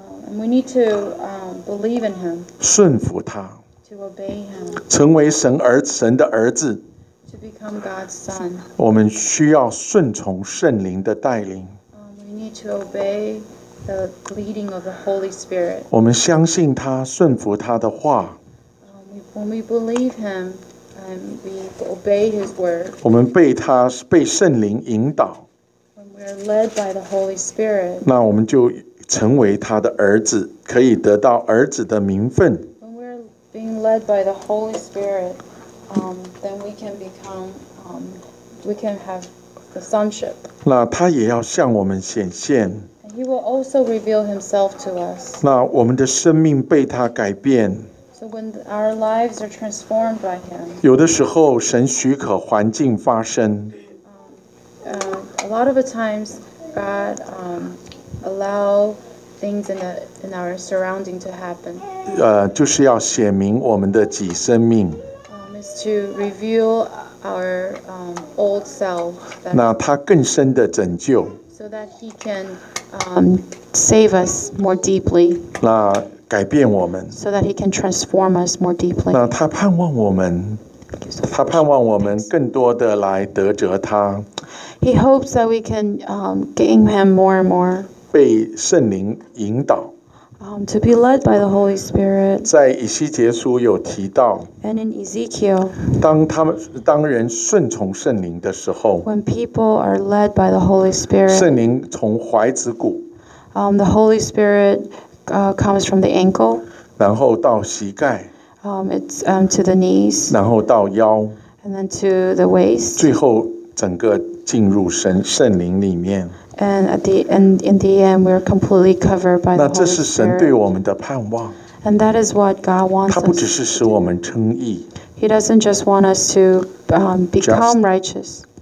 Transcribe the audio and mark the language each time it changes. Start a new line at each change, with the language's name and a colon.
English: and we need to believe in him,
Chinese: 顺服他
English: to obey him,
Chinese: 成为神儿神的儿子
English: to become God's son.
Chinese: 我们需要顺从圣灵的带领
English: we need to obey. The leading of the Holy Spirit.
Chinese: 我们相信他，顺服他的话。
English: When we believe him, we obey his word.
Chinese: 我们被他被圣灵引导。
English: When we are led by the Holy Spirit.
Chinese: 那我们就成为他的儿子，可以得到儿子的名分。
English: When we are being led by the Holy Spirit, then we can become, we can have the sonship.
Chinese: 那他也要向我们显现。
English: He will also reveal himself to us.
Chinese: 那我们的生命被他改变。
English: So when our lives are transformed by him.
Chinese: 有的时候神许可环境发生。
English: A lot of the times God allow things in our surrounding to happen.
Chinese: 就是要显明我们的己生命。
English: Is to reveal our old self.
Chinese: 那他更深的拯救。
English: So that he can save us more deeply.
Chinese: 那改变我们。
English: So that he can transform us more deeply.
Chinese: 那他盼望我们，他盼望我们更多的来得着他。
English: He hopes that we can gain him more and more.
Chinese: 被圣灵引导。
English: To be led by the Holy Spirit.
Chinese: 在以西结书有提到。
English: And in Ezekiel.
Chinese: 当人顺从圣灵的时候。
English: When people are led by the Holy Spirit.
Chinese: 圣灵从踝子骨。
English: The Holy Spirit comes from the ankle.
Chinese: 然后到膝盖。
English: It's to the knees.
Chinese: 然后到腰。
English: And then to the waist.
Chinese: 最后整个进入圣灵里面。
English: And at the end, in the end, we are completely covered by the Holy Spirit.
Chinese: 那这是神对我们的盼望。
English: And that is what God wants us to do.
Chinese: 他不只是使我们称义。
English: He doesn't just want us to become righteous.